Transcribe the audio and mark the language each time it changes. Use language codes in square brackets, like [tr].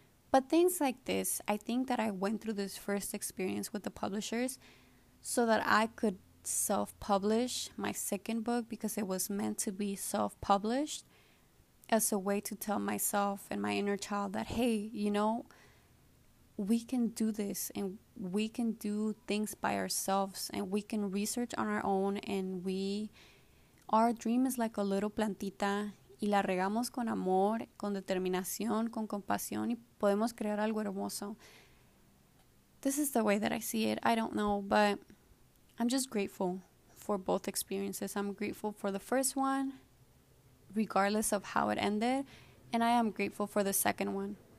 [en] But things like this, I think that I went through this first experience with the publishers so that I could self-publish my second book because it was meant to be self-published as a way to tell myself and my inner child that, hey, we can do this and we can do things by ourselves and we can research on our own and our dream is like a little plantita. [es] Y la regamos con amor, con determinación, con compasión, y podemos crear algo hermoso. [en] This is the way that I see it. I don't know, but I'm just grateful for both experiences. I'm grateful for the first one, regardless of how it ended, and I am grateful for the second one.